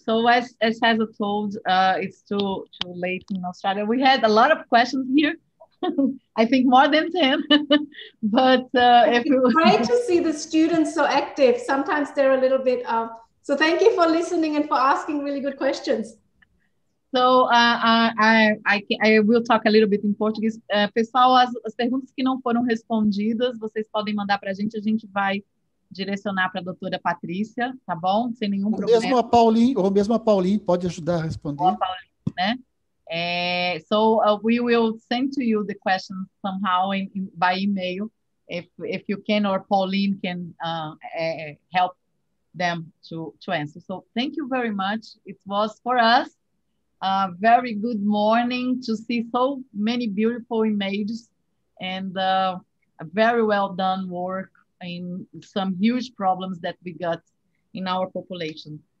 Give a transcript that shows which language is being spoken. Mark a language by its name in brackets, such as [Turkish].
[English] So as Heather told, it's too late in Australia. We had a lot of questions here. I think more than 10. But great to see the students so active. Sometimes they're a little bit. So thank you for listening and for asking really good questions. So I will talk a little bit in português. [Portuguese] Pessoal, as perguntas que não foram respondidas, vocês podem mandar para a gente vai direcionar para a doutora Patrícia, tá bom? Sem nenhum problema. Ou mesmo a Pauline pode ajudar a responder. Ou a Pauline, né? [English] So we will send to you the question somehow by email, if you can, or Pauline can help them to answer. So thank you very much. It was for us a very good morning to see so many beautiful images and a very well done work in some huge problems that we got in our population.